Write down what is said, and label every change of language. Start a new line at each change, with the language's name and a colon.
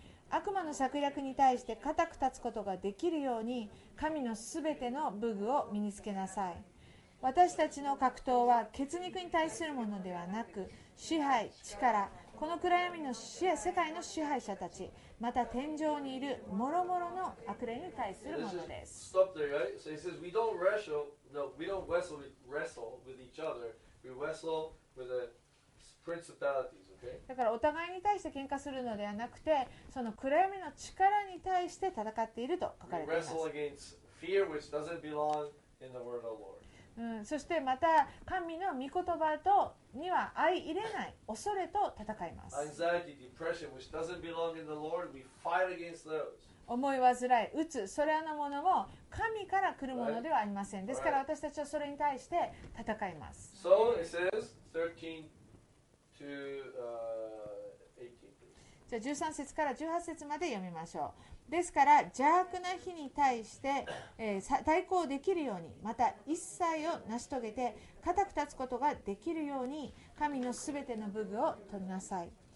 Japanese: 悪魔の策略に対して固く立つことができるように神のすべての武具を身につけなさい。私たちの格闘は血肉に対するものではなく支配、力、この暗闇の世界の支配者たち、また天上にいる諸々の悪霊に対するものです。
English: Stop there, right? So he says we don't wrestle, no, we don't wrestle with each other. We wrestle with the principalities, okay?
Japanese: だからお互いに対して喧嘩するのではなくて、その暗闇の力に対して戦っていると書かれています。
English: We wrestle against fear which doesn't belong in the word of the Lord.
Japanese: そしてまた神の御言葉とには相入れない恐れと戦います。
English: Anxiety, depression, which doesn't belong in the Lord, we fight against those.
Japanese: 思い煩い、うつ、それらのものも神から来るものではありません。ですから私たちはそれに対して戦います。
English: So it says 13 to 18.
Japanese: じゃあ13節から18節まで読みましょう。ですから邪悪な日に対して、対抗できるように、また一切を成し遂げて固く立つことができるように神のすべての武具を取りなさい。